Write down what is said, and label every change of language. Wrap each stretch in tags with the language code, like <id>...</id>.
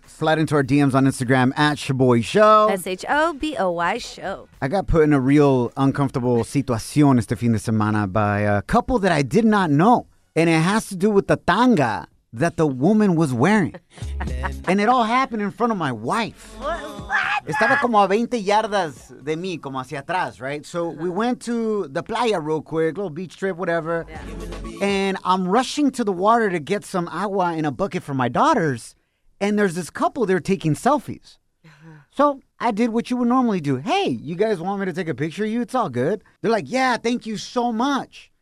<en>Slide into our DMs on Instagram at Shaboy Show. S-H-O-B-O-Y Show. I got put in a real uncomfortable</en> <es>situación este fin de semana</es> <en>by a couple that I did not know. And it has to do with the tanga that the woman was wearing. And it all happened in front of my wife. What?</en> <es>Estaba como a 20 yardas de mí, como hacia atrás, right?</es> <en>So we went to the playa real quick, little beach trip, whatever. Yeah. And I'm rushing to the water to get some agua in a bucket for my daughters. And there's this couple, they're taking selfies. So I did what you would normally do. Hey, you guys want me to take a picture of you? It's all good. They're like, yeah, thank you so much.</en>